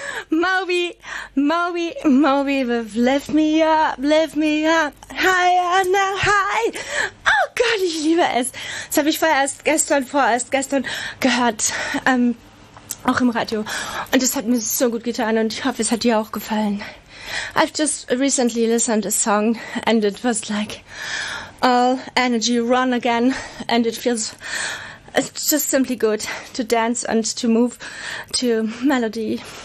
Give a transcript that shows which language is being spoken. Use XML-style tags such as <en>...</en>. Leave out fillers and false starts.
<en>Moby, Moby, lift me up, lift me up, higher now, high.</en> <de>Oh Gott, ich liebe es. Das habe ich vorerst gestern gehört, auch im Radio. Und es hat mir so gut getan und ich hoffe, es hat dir auch gefallen.</de> <en>I've just recently listened to a song and it was like all energy run again and it feels... It's just simply good to dance and to move to melody.</en>